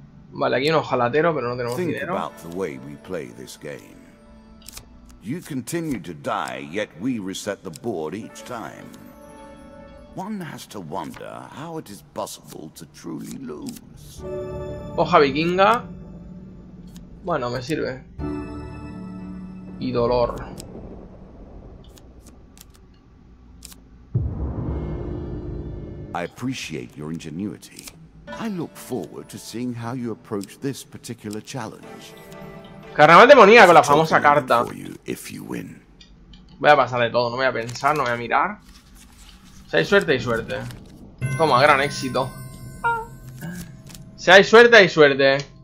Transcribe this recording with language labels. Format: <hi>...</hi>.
<es>Vale, aquí un ojalatero, pero no tenemos dinero.</es> <en>Think about the way we play this game. You continue to die, yet we reset the board each time. One has to wonder how it is possible to truly lose.</en> <es>Hoja vikinga. Bueno, me sirve. Y dolor.</es> <en>I appreciate your ingenuity. I look forward to seeing how you approach this particular challenge.</en> <es>Carnaval demoníaco, la famosa carta. Voy a pasar de todo, no voy a pensar, no voy a mirar. Si hay suerte, hay suerte. Toma, gran éxito. Si hay suerte, hay suerte.</es>